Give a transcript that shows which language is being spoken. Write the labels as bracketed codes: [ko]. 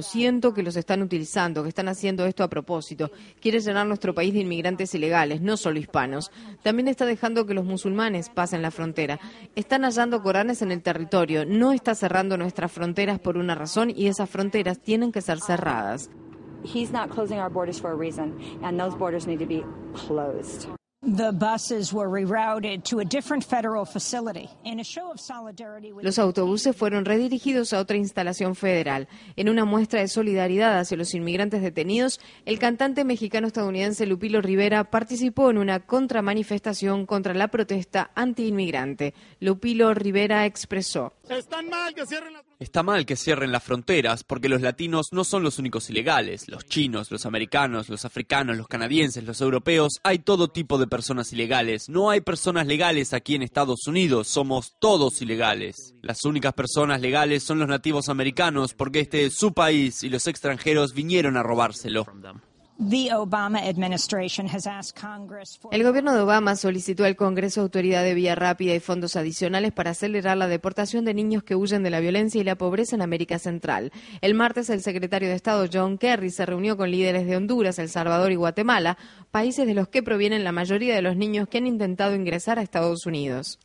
[es] Siento que los están utilizando, que están haciendo esto a propósito. Quiere llenar nuestro país de inmigrantes ilegales, no solo hispanos. También está dejando que los musulmanes pasen la frontera. Están hallando coranes en el territorio. No está cerrando nuestras fronteras por una razón y esas fronteras tienen que ser cerradas. [en] He's not closing our borders for a reason, and those borders need to be closed. The buses were rerouted to a different federal facility. In a show of solidarity with... [es] Los autobuses fueron redirigidos a otra instalación federal. En una muestra de solidaridad hacia los inmigrantes detenidos, el cantante mexicano-estadounidense Lupillo Rivera participó en una contramanifestación contra la protesta antiinmigrante. Lupillo Rivera expresó: está mal que cierren las fronteras porque los latinos no son los únicos ilegales. Los chinos, los americanos, los africanos, los canadienses, los europeos, hay todo tipo de personas ilegales. No hay personas legales aquí en Estados Unidos, somos todos ilegales. Las únicas personas legales son los nativos americanos porque este es su país y los extranjeros vinieron a robárselo. [en] The Obama administration has asked Congress for... [es] El gobierno de Obama solicitó al Congreso autoridad de vía rápida y fondos adicionales para acelerar la deportación de niños que huyen de la violencia y la pobreza en América Central. El martes, el secretario de Estado John Kerry se reunió con líderes de Honduras, El Salvador y Guatemala, países de los que provienen la mayoría de los niños que han intentado ingresar a Estados Unidos.